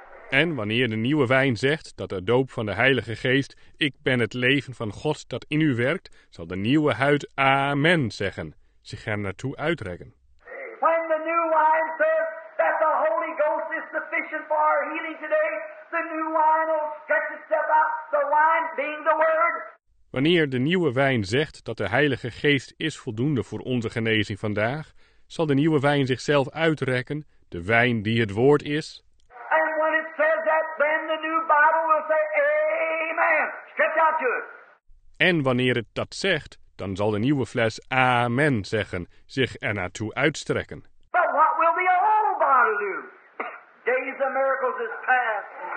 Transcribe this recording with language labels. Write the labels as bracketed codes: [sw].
[nl] En wanneer de nieuwe wijn zegt dat de doop van de Heilige Geest, ik ben het leven van God dat in u werkt, zal de nieuwe huid Amen zeggen, zich er naartoe uitrekken. [en] When the new wine says that the Holy Ghost is sufficient for our healing today, the new wine will stretch itself out, the wine being the word. [nl] Wanneer de nieuwe wijn zegt dat de Heilige Geest is voldoende voor onze genezing vandaag, zal de nieuwe wijn zichzelf uitrekken, de wijn die het woord is. [en] And when it says that, then the new Bible will say, Amen. Stretch out to it. [nl] En wanneer het dat zegt, dan zal de nieuwe fles Amen zeggen, zich ernaartoe uitstrekken. [en] But what will the old bottle do? Days of miracles is past.